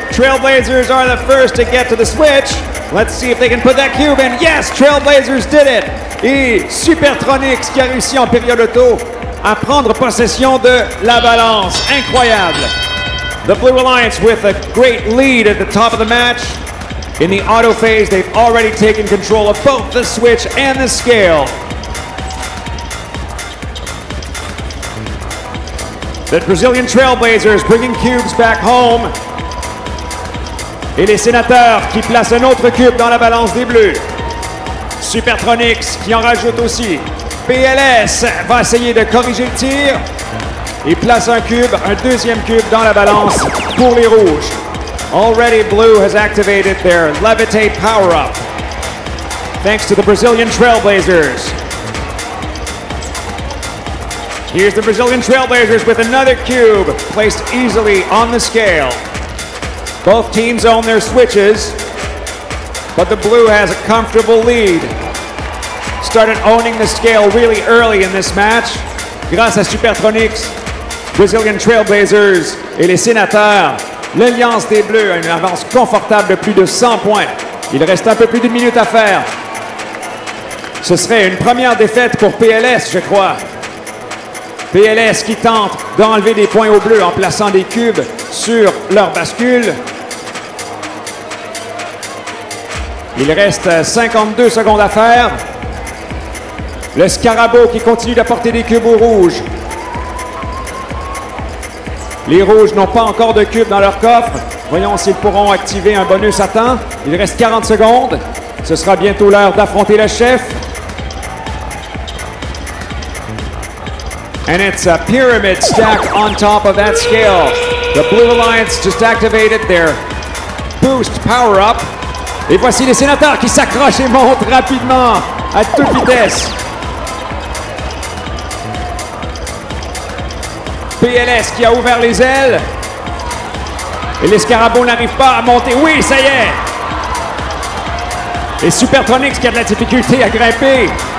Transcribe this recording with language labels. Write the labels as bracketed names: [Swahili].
[English] Trailblazers are the first to get to the switch. Let's see if they can put that cube in. Yes, Trailblazers did it! [French] Et Supertronix qui a réussi en période auto à prendre possession de la balance. Incroyable! [English] The Blue Alliance with a great lead at the top of the match. In the auto phase, they've already taken control of both the switch and the scale. The Brazilian Trailblazers bringing cubes back home. [French] Et les Sénateurs qui placent un autre cube dans la balance des Bleus. Supertronix qui en rajoute aussi. PLS va essayer de corriger le tir. Il place un cube, un deuxième cube dans la balance pour les Rouges. [English] Already Blue has activated their Levitate power-up. Thanks to the Brazilian Trailblazers. Here's the Brazilian Trailblazers with another cube placed easily on the scale. Both teams own their switches, but the Blue has a comfortable lead. Started owning the scale really early in this match. [French] Grâce à Supertronix, Brazilian Trailblazers et les Sénateurs, l'Alliance des Bleus a une avance confortable de plus de 100 points. Il reste un peu plus d'une minute à faire. Ce serait une première défaite pour PLS, je crois. PLS qui tente d'enlever des points aux Bleus en plaçant des cubes sur leur bascule. Il reste 52 secondes à faire. Le Scarabeau qui continue d'apporter des cubes aux Rouges. Les Rouges n'ont pas encore de cubes dans leur coffre. Voyons s'ils pourront activer un bonus à temps. Il reste 40 secondes. Ce sera bientôt l'heure d'affronter le chef. [English] And it's a pyramid stack on top of that scale. The Blue Alliance just activated their boost power-up. [French] Et voici les Sénateurs qui s'accrochent et montent rapidement à toute vitesse. PLS qui a ouvert les ailes. Et les Scarabeaux n'arrivent pas à monter. Oui, ça y est! Et Supertronix qui a de la difficulté à grimper.